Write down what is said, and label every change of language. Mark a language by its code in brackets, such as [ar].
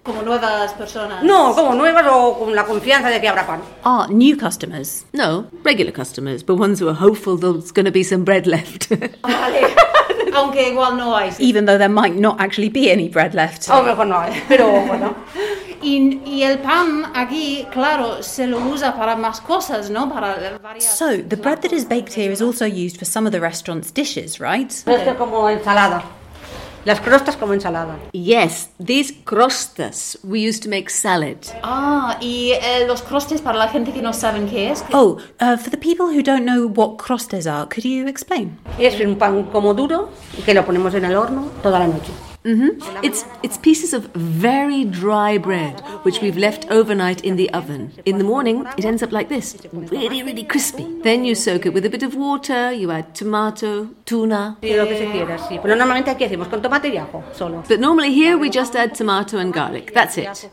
[es] ¿Como nuevas personas? No, como nuevas o con la confianza de que habrá pan. [en] Ah, new customers? No, regular customers, but ones who are hopeful there's going to be some bread left. [es] Vale. Aunque igual no hay. [en] Even though there might not actually be any bread left. [es] A lo mejor no hay, pero bueno. Y el pan aquí, claro, se lo usa para más cosas, ¿no? Para varias. [en] So, the bread that is baked here is also used for some of the restaurant's dishes, right? [es] Es como ensalada. Las crostas como ensalada. [en] Yes, these crostas we use to make salad. [es] Ah, y los crostes para la gente que no saben qué es. [en] Oh, for the people who don't know what crostes are, could you explain? [es] Es un pan como duro que lo ponemos en el horno toda la noche. Mm-hmm. [en] It's pieces of very dry bread, which we've left overnight in the oven. In the morning, it ends up like this, really, really crispy. Then you soak it with a bit of water, you add tomato, tuna. But normally here we just add tomato and garlic, that's it.